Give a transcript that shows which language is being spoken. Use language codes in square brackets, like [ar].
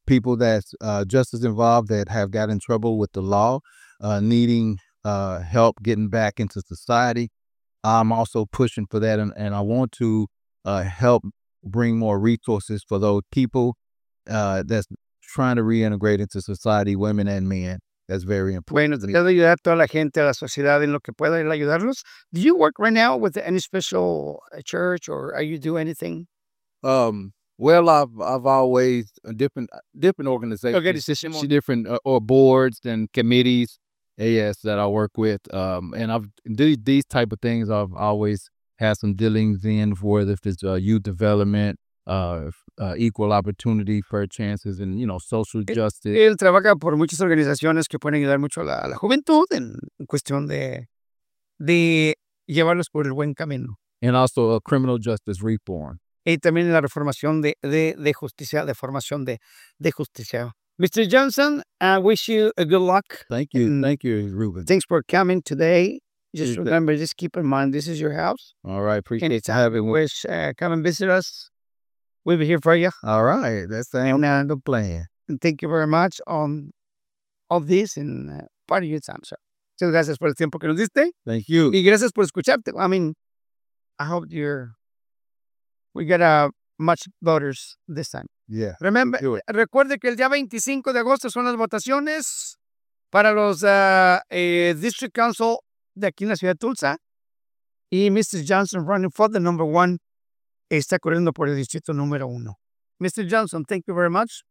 [en] People that's just as involved that have got in trouble with the law, needing help getting back into society. I'm also pushing for that, and I want to help bring more resources for those people that's trying to reintegrate into society, women and men. That's very important. [es] Bueno, quiero ayudar a toda la gente, a la sociedad, en lo que pueda ayudarlos. [en] Do you work right now with any special church, or are you doing anything? I've always different organizations, okay, different boards and committees, AS that I work with. And I've these type of things I've always had some dealings in, for if it's youth development, equal opportunity, fair chances, and, you know, social justice. [es] Él trabaja por muchas organizaciones que pueden ayudar mucho a la juventud en cuestión de llevarlos por el buen camino. [en] And also a criminal justice reform. [es] Y también la reformación de justicia, de formación de justicia. [en] Mr. Johnson, I wish you a good luck. Thank you. Thank you, Ruben. Thanks for coming today. Just remember, just keep in mind, this is your house. All right. Appreciate it. Anytime. Wish, come and visit us. We'll be here for you. All right. That's the end of the plan. And thank you very much on all this and part of your time, sir. [es] Muchas gracias por el tiempo que nos diste. [en] Thank you. [es] Y gracias por escucharte. [en] I mean, I hope we get much voters this time. Yeah. [es] Remember, recuerde que el día 25 de agosto son las votaciones para los District Council de aquí en la ciudad de Tulsa. Y Mr. Johnson [en] running for the number one [es] está corriendo por el distrito número uno. Mr. [en] Johnson, thank you very much.